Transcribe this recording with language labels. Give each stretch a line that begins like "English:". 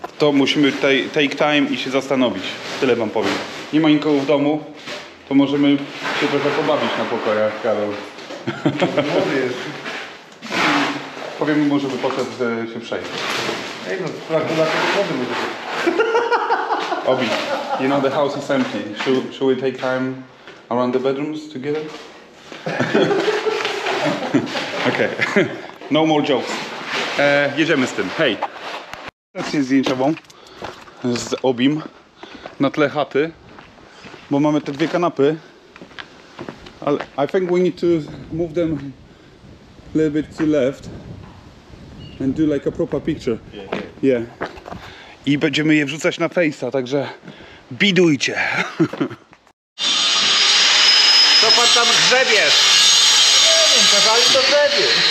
Polish: To musimy tutaj
English: take time
Polish: i się zastanowić. Tyle wam powiem. Nie ma nikogo w domu. To możemy się trochę pobawić na pokojach, Karol. Może jeszcze. Powiem mu, żeby poszedł się przejść. Ej, no, sprawdź, dlaczego wody może być.
English: Obi, you know the house is empty. Should we take time around the bedrooms together? Okay, no more jokes.
Polish: Jedziemy z tym, hej. Sesję zdjęciową z Obim na tle chaty. bo mamy te dwie kanapy.
English: Ale I think we need to move them a little bit to left and do like a proper picture. Yeah. Yeah.
Polish: I będziemy je wrzucać na Face'a, także bidujcie. Co pan tam grzebiesz? Nie wiem, kazali to grzebie.